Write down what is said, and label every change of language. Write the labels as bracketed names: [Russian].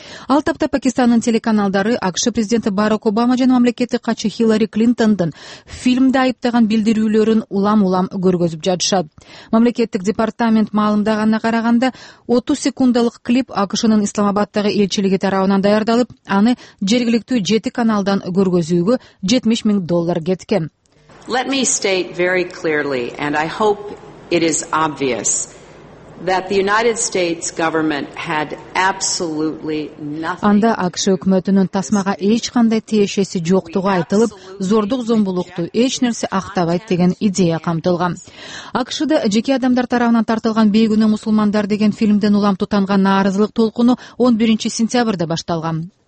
[Kyrgyz] Ал тапта Пакистандын телеканалдары АКШ президенти Барак Обама жана мамлекеттик катчы Хиллари Клинтондун фильмде айыптаган билдирүүлөрүн улам-улам көргөзүп жатышат. Мамлекеттик департамент маалымдаганына караганда 30 секундалык клип АКШнын Исламабаддагы элчилиги тарабынан даярдалып, аны жергиликтүү 7 каналдан көргөзүүгө 70 $1,000 кеткен. [English] Let me state very clearly, and I hope it is obvious, that the United States government had absolutely nothing. [Kyrgyz] Анда АКШ өкмөтүнүн тасмага эч кандай тиешеси жоктугу айтылып, зордук зомбулукту эч нерсе актабайт деген идея камтылган. АКШда жеке адамдар тарабынан тартылган бейгүнөө мусулмандар деген фильмден улам тутанган нааразылык толкуну 11 сентябрда башталган.